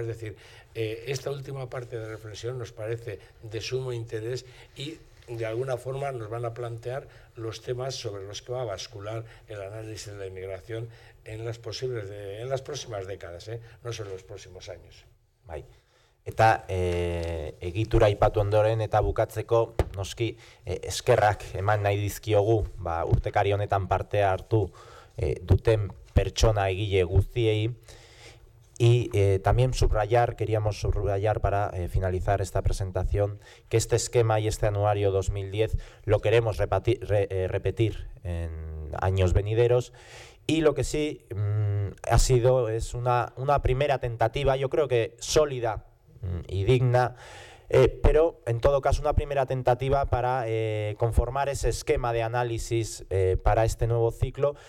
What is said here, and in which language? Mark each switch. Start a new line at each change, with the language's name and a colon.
Spanish: Es decir, esta última parte de reflexión nos parece de sumo interés y de alguna forma nos van a plantear los temas sobre los que va a bascular el análisis de la inmigración en las posibles en las próximas décadas, no solo en los próximos años.
Basque: Bai. Eta egitura aipatu ondoren eta bukatzeko noski eskerrak eman nahi dizkiogu, ba urtekari honetan parte hartu duten pertsona egile guztiei.
Spanish: Y también subrayar, queríamos subrayar para finalizar esta presentación, que este esquema y este anuario 2010 lo queremos repetir en años venideros. Y lo que sí ha sido es una primera tentativa, yo creo que sólida y digna, pero en todo caso una primera tentativa para conformar ese esquema de análisis para este nuevo ciclo.